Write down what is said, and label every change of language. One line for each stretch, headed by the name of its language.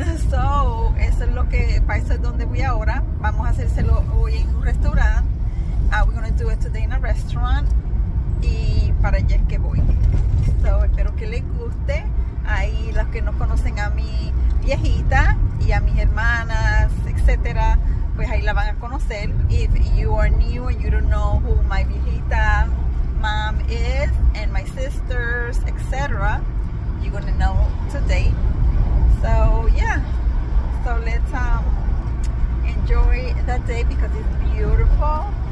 Spanish: So, eso es lo que, para eso es donde voy ahora. Vamos a hacérselo hoy en un restaurante.
English: We're going to do it today in a restaurant.
Spanish: Y para allá es que voy. So, espero que les guste. Ahí las que no conocen a mi viejita y a mis hermanas, etcétera, pues ahí la van a conocer.
English: If you are new and you don't know who my viejita mom is and my sisters, etc., you're gonna know today. So yeah, so let's enjoy the day because it's beautiful.